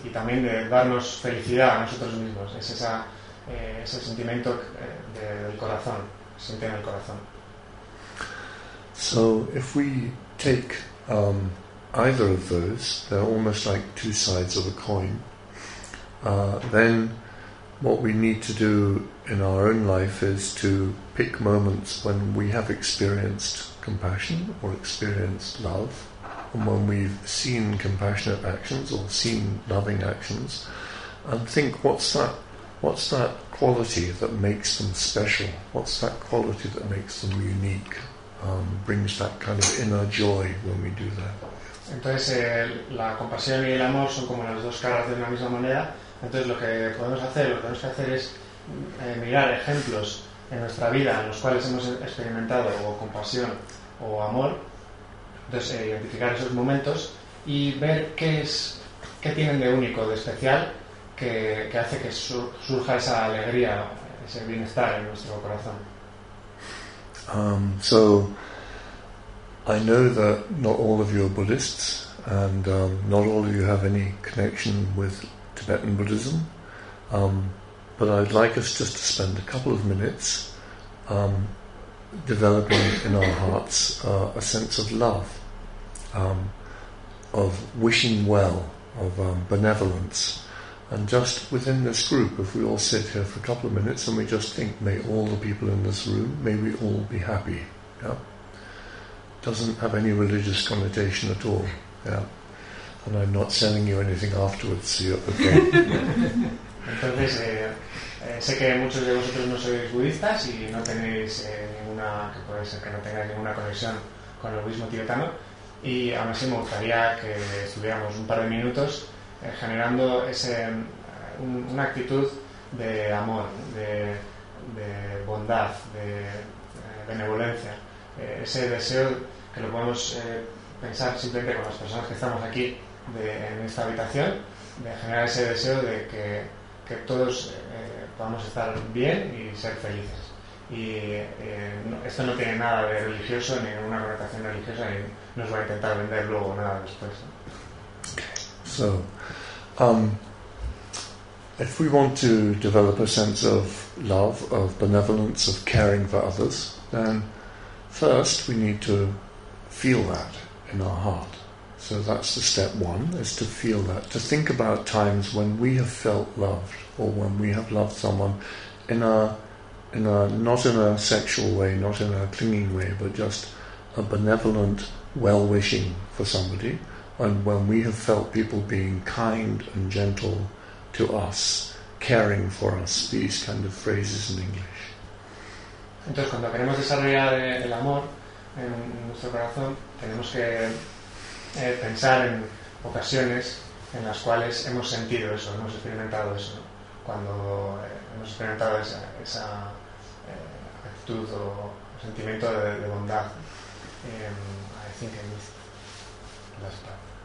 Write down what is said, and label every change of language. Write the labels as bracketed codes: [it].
[es] Y también de darnos felicidad a nosotros mismos. Es esa, ese sentimiento del corazón, siente en el corazón. [en] So, if we take either of those, they're almost like two sides of a coin, then what we need to do in our own life is to pick moments when we have experienced compassion or experienced love, and when we've seen compassionate actions or seen loving actions, and think, what's that quality that makes them special? What's that quality that makes them unique? Brings that kind of inner joy when we do that. [es] Entonces, la compasión y el amor son como las dos caras de una misma moneda. Entonces, lo que tenemos que hacer es mirar ejemplos en nuestra vida en los cuales hemos experimentado o compasión o amor. Entonces, identificar esos momentos y ver qué tienen de único, de especial, que hace que surja esa alegría, ese bienestar en nuestro corazón. [en] So, I know that not all of you are Buddhists, and not all of you have any connection with Tibetan Buddhism, but I'd like us just to spend a couple of minutes developing in our hearts a sense of love, of wishing well, of benevolence. And just within this group, if we all sit here for a couple of minutes and we just think, may all the people in this room, may we all be happy. Yeah? Doesn't have any religious connotation at all. Yeah. And I'm not selling you anything afterwards, so you're okay. [es] Entonces, sé que muchos de vosotros no sois budistas y no tenéis ninguna conexión con el budismo tibetano, y aún así me gustaría que estuviéramos un par de minutos generando una actitud de amor, de bondad, de benevolencia, ese deseo que lo podemos pensar simplemente con las personas que estamos aquí en esta habitación, de generar ese deseo de que todos podamos estar bien y ser felices. Y esto no tiene nada de religioso, ni una connotación religiosa, y nos va a intentar vender luego nada después. [en] Okay. So, if we want to develop a sense of love, of benevolence, of caring for others, then first we need to feel that in our heart. So that's the step one, is to feel that, to think about times when we have felt loved, or when we have loved someone in a not in a sexual way, not in a clinging way, but just a benevolent well-wishing for somebody, and when we have felt people being kind and gentle to us, caring for us, these kind of phrases in English. [es] Entonces, cuando queremos desarrollar el amor en nuestro corazón, tenemos que pensar en ocasiones en las cuales hemos sentido eso, hemos experimentado eso, ¿no? Cuando hemos experimentado esa actitud o sentimiento de bondad. [en] I think I missed last part.